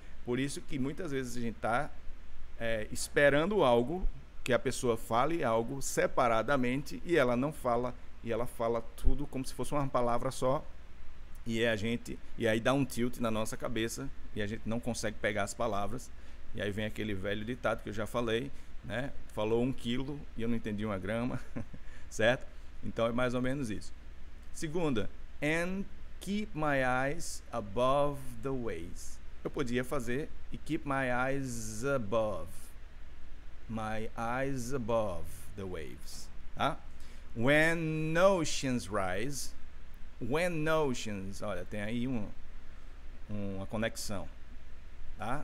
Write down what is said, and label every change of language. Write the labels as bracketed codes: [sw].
[pt] Por isso que muitas vezes a gente está esperando algo, que a pessoa fale algo separadamente e ela não fala, e ela fala tudo como se fosse uma palavra só, e aí dá um tilt na nossa cabeça e a gente não consegue pegar as palavras E aí vem aquele velho ditado que eu já falei, né? Falou 1 quilo e eu não entendi 1 grama, certo? Então é mais ou menos isso. Segunda, [en] and keep my eyes above the waves. [pt] Eu podia fazer e [en] keep my eyes above. My eyes above the waves, tá? When oceans rise, when oceans, [pt] olha, tem aí uma conexão, tá?